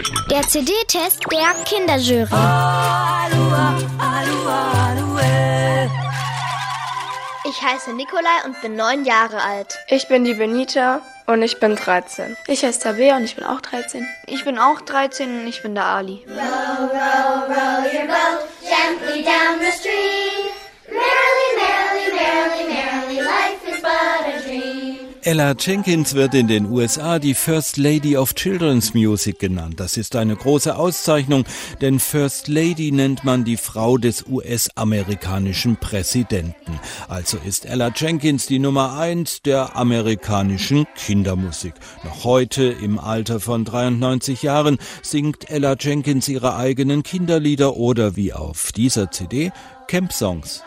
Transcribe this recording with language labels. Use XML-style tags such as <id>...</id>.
<de>Der CD-Test der Kinderjury. Aloha, aloha, aloha. Ich heiße Nikolai und bin 9 Jahre alt. Ich bin die Benita und ich bin 13. Ich heiße Tabea und ich bin auch 13. Ich bin auch 13 und ich bin der Ali.</de> <en>Row, row, row your boat gently down the stream. Merrily, merrily, merrily, merrily, life is but a dream.</en> <de>Ella Jenkins wird in den USA die First Lady of Children's Music genannt. Das ist eine große Auszeichnung, denn First Lady nennt man die Frau des US-amerikanischen Präsidenten. Also ist Ella Jenkins die Nummer 1 der amerikanischen Kindermusik. Noch heute, im Alter von 93 Jahren, singt Ella Jenkins ihre eigenen Kinderlieder oder wie auf dieser CD Camp Songs.</de>